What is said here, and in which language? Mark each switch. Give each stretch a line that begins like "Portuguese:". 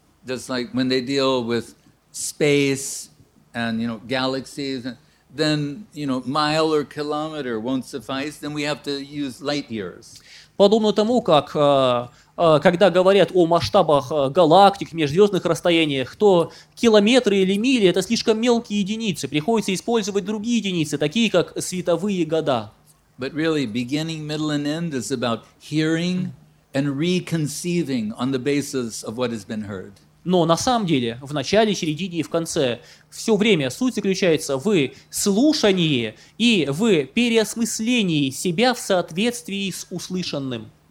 English: Just like when they deal with space and, you know, galaxies, then, you know, mile or kilometer won't suffice, then we have to use light years.
Russian: Подобно тому, как когда говорят о масштабах галактик, межзвездных расстояниях, то километры или мили — это слишком мелкие единицы. Приходится использовать другие единицы, такие как световые года.
English: But really, beginning, middle, and end is about hearing and reconceiving on the basis of what has been heard.
Russian: Но на самом деле, в начале, середине и в конце, все время суть заключается в слушании и в переосмыслении себя в соответствии с услышанным.